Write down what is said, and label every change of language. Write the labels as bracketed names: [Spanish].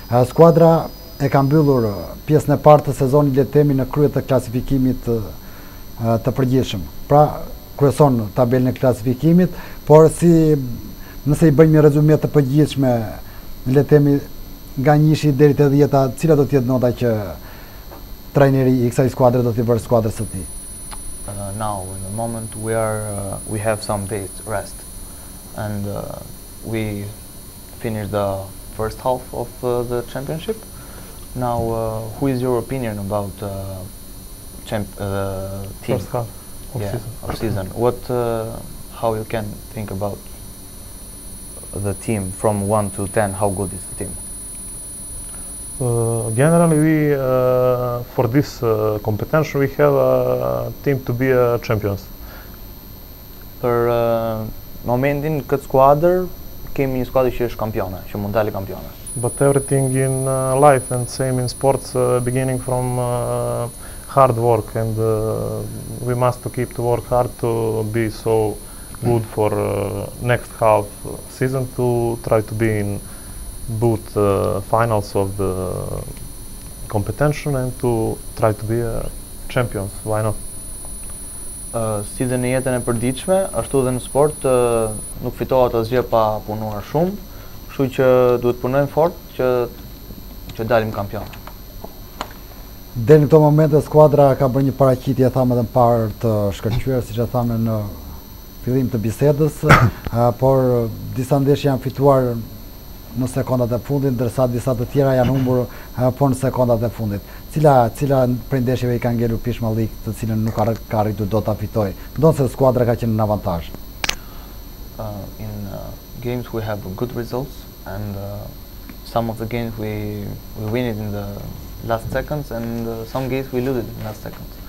[Albanian] Skuadra e ka mbyllur pjesën e parë të sezonit le të themi në krye të klasifikimit të përgjithshëm. Pra, kryeson tabelën e klasifikimit, por si nëse I bëjmë një rezume të përgjithshme, le të themi nga 1-shi deri te 10-ta, cila do të jetë nota që trajneri I kësaj skuadre do t'i vërë skuadrës së tij? [English] Now in the moment we are we have some days rest and we finished the first half of the championship. Now who is your opinion about team. First half of season. What, how you can think about the team from 1 to 10, how good is the team? Generally, we for this competition, we have a team to be champions. [Albanian] Për momentin, këtë skuadër, kemi një skuadër që është kampione, që mund të jetë kampione. [English] But everything in life and same in sports, beginning from hard work and we must to keep to work hard to be so good for next half season to try to be in both finals of the competition and to try to be a champions, why not? [Albanian] Si dhe në jetën e përditshme, ashtu dhe në sport, nuk fitohet asgjë pa punuar shumë, kështu që duhet punojmë fort që dalim kampion. Deri në këto momente skuadra ka bërë një paraqitje thamë edhe më parë të shkëlqyer siç e thamë në fillim të bisedës, por disa ndeshje janë fituar në sekondat e fundit, ndërsa disa të tjera janë humbur po në sekondat e fundit. Cila prej ndeshjeve I ka ngelur pishmallik, të cilën nuk ka arritur dot ta fitojë? Ndonse skuadra ka qenë në avantazh. [English] In games we have good results and some of the games we win it in the last seconds and some games we lose it in last seconds.